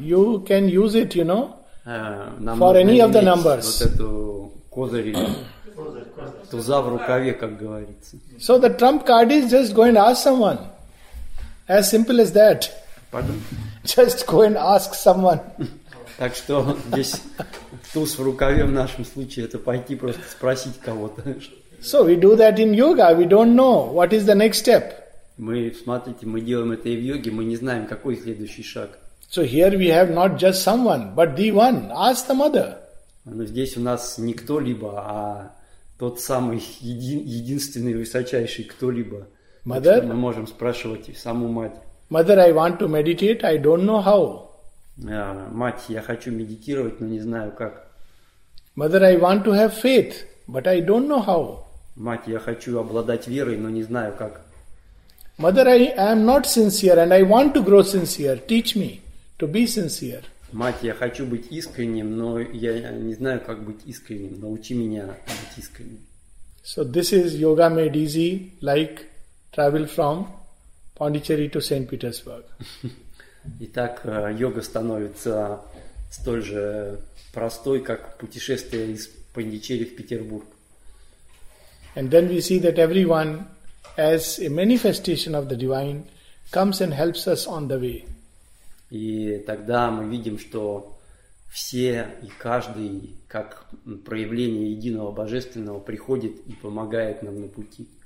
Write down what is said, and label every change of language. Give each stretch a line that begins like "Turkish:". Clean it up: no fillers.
English: You can use it, you know, for any of the numbers.
Russian: Вот эту козырь, туза в рукаве, как говорится.
English: So the trump card is just go and ask someone. As simple as that. Pardon? Just go and ask someone.
Russian: Так что здесь туз в рукаве в нашем случае это пойти просто спросить кого-то.
English: So we do that in yoga. We don't know what is the next step.
Russian: Мы, смотрите, мы делаем это и в йоге, мы не знаем, какой следующий шаг.
English: So here we have not just someone, but the one. Ask the mother.
Russian: Но здесь у нас не кто-либо, а тот самый единственный высочайший кто-либо.
English: Mother,
Russian: мы можем спрашивать и саму мать.
English: Mother, I want to meditate, I don't know how.
Russian: Мать, я хочу медитировать, но не знаю как.
English: Mother, I want to have faith, but I don't know how.
Russian: Мать, я хочу обладать верой, но не знаю как.
English: Mother, I am not sincere and I want to grow sincere. Teach me to be sincere.
Russian: Мать, я хочу быть искренним, но я не знаю, как быть искренним. Научи меня быть искренним.
English: So this is yoga made easy, like travel from Pondicherry to St. Petersburg.
Russian: Итак, йога становится столь же простой, как путешествие из Пондичерри в Петербург.
English: And then we see that everyone, as a manifestation of the divine, comes and helps us on the way.
Russian: И тогда мы видим, что все и каждый, как проявление единого божественного, приходит и помогает нам на пути.